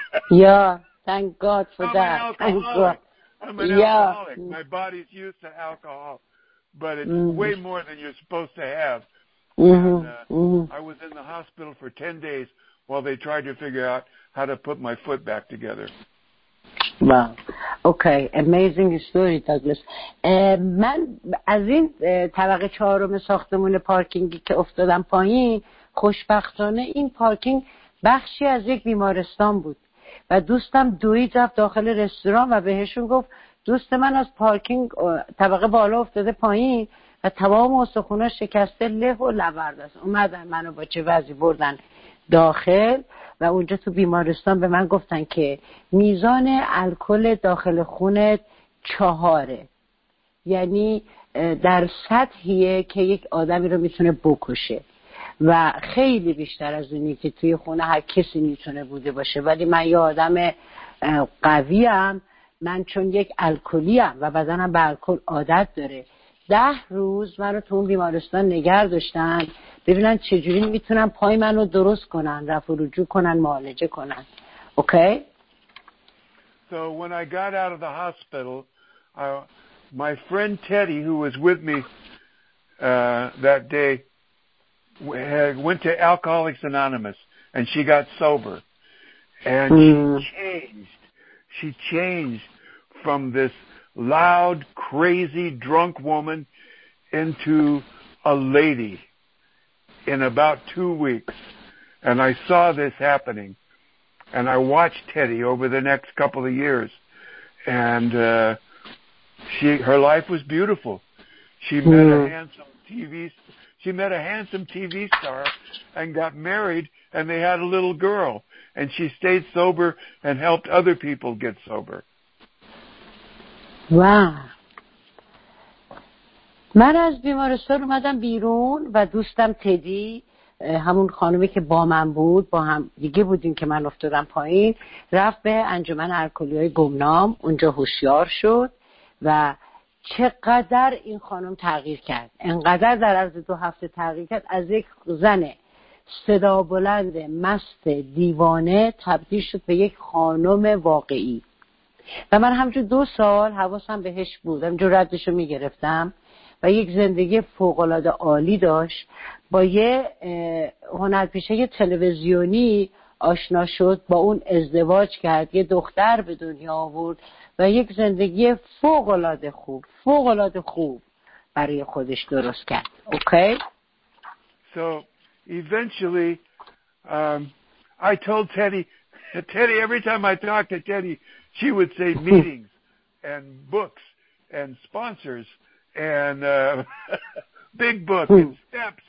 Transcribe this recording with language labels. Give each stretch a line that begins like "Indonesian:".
English: Yeah, thank God for that. I'm an alcoholic. My body's used to alcohol, but it's way more than you're supposed to have. I was in the hospital for 10 days while they tried to figure out how to put my foot back together. Wow. Okay. Amazing story, Douglas.
Persian: من از این طبقه چهارم ساختمون پارکینگی که افتادم پایین، خوشبختانه این پارکینگ بخشی از یک بیمارستان بود و دوستم دوید رفت داخل رستوران و بهشون گفت دوست من از پارکینگ طبقه بالا افتاده پایین و تمام استخونه شکسته، له و لورده است. اومدن منو با چه وضعی بردن داخل و اونجا تو بیمارستان به من گفتن که میزان الکل داخل خونت 4، یعنی در سطحیه که یک آدمی رو میتونه بکشه و خیلی بیشتر از اونی که توی خونه هر کسی میتونه بوده باشه. ولی من یه آدم قویم، من چون یک الکلیم و بدنم به الکل عادت داره، 10 روز من رو تو اون بیمارستان نگه داشتن ببینن چجوری میتونن پای من رو درست کنن، رفع و رجوع کنن، معالجه کنن. اوکی؟
English: So when I got out of the hospital, my friend Teddy, who was with me that day, went to Alcoholics Anonymous and she got sober. And she changed from this loud, crazy, drunk woman into a lady in about 2 weeks. And I saw this happening. And I watched Teddy over the next couple of years. And her life was beautiful. She met a handsome TV star and got married, and they had a little girl. And she stayed sober and helped other people get sober.
Persian: واو. من از بیمارستان اومدم بیرون و دوستم تدی، همون خانومی که با من بود، با هم دیگه بودیم که من افتادم پایین، رفت به انجمن الکلی‌های گمنام، اونجا هوشیار شد. و چقدر این خانم تغییر کرد، انقدر در عرض 2 هفته تغییر کرد، از یک زن صدا بلند مست دیوانه تبدیل شد به یک خانم واقعی. و من همجور 2 سال حواسم بهش بود، همجور ردشو میگرفتم و یک زندگی فوق‌العاده عالی داشت. با یه هنرپیشه تلویزیونی آشنا شد، با اون ازدواج کرد، یه دختر به دنیا آورد و یک زندگی فوق‌العاده خوب برای خودش درست کرد. اوکی؟
English: So eventually I told Teddy, every time I talk to Teddy, she would say meetings and books and sponsors and big book and steps.